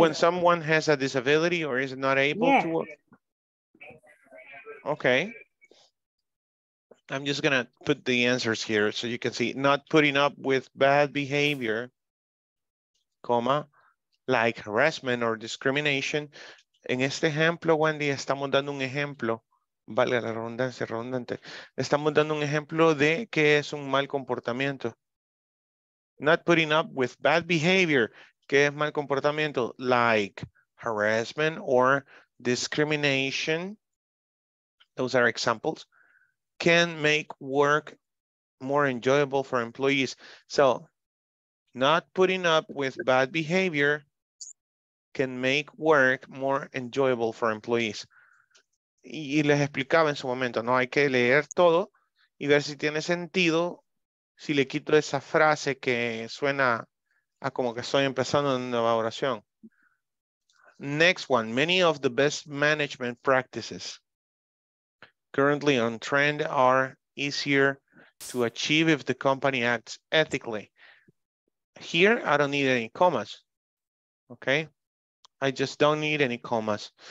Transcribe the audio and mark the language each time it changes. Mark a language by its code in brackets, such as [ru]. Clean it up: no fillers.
[en] When someone has a disability or is not able to walk. Okay. I'm just gonna put the answers here so you can see. Not putting up with bad behavior, comma, like harassment or discrimination. [es] En este ejemplo, Wendy, estamos dando un ejemplo, valga la redundancia, redundante. Estamos dando un ejemplo de que es un mal comportamiento. [en] Not putting up with bad behavior, [es] que es mal comportamiento, [en] like harassment or discrimination. Those are examples. Can make work more enjoyable for employees. So, not putting up with bad behavior can make work more enjoyable for employees. [es] Y les explicaba en su momento, no hay que leer todo y ver si tiene sentido si le quito esa frase que suena a como que estoy empezando una nueva oración. [en] Next one, many of the best management practices currently on trend are easier to achieve if the company acts ethically. Here, I don't need any commas, okay? I just don't need any commas.